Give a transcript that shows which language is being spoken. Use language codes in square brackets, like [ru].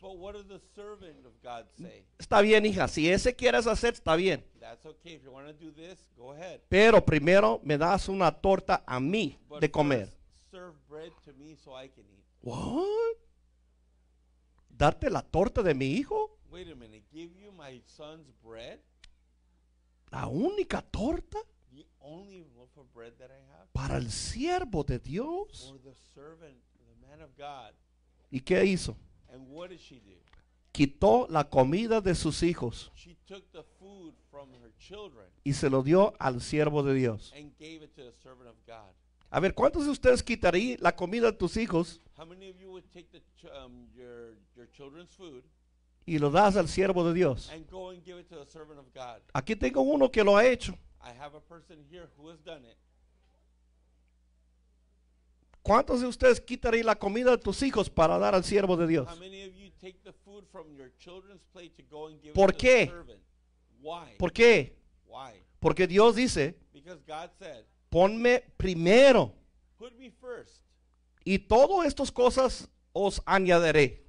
[en] But what does the servant of God say? [es] Está bien, hija. Si ese quieres hacer, está bien. [en] That's okay. If you want to do this, go ahead. [es] Pero primero me das una torta a mí [en] but [es] de comer. [en] First, serve bread to me so I can eat. What? [es] ¿Darte la torta de mi hijo? [en] Wait a minute. Give you my son's bread? [es] ¿La única torta? [en] The only loaf of bread that I have? [es] ¿Para el siervo de Dios? [en] For the servant, the man of God. [es] ¿Y qué hizo? [en] And what did she do? [es] Quitó la comida de sus hijos. [en] She took the food from her children. [es] Y se lo dio al siervo de Dios. [en] And gave it to the servant of God. [es] A ver, ¿cuántos de ustedes quitarían la comida de tus hijos? [en] How many of you would take the, your children's food? [es] Y lo das al siervo de Dios. [en] And go and give it to the servant of God. [es] Aquí tengo uno que lo ha hecho. [en] I have a person here who has done it. [es] ¿Cuántos de ustedes quitarían la comida de tus hijos para dar al siervo de Dios? [en] How many of you take the food from your children's plate to go and give [es] ¿por [en] it [es] qué? [en] To the servant? Why? [es] ¿Por qué? [en] Why? [es] Porque Dios dice. [en] Because God said. [es] Ponme primero. [en] Put me first. [es] Y todas estas cosas os añadiré.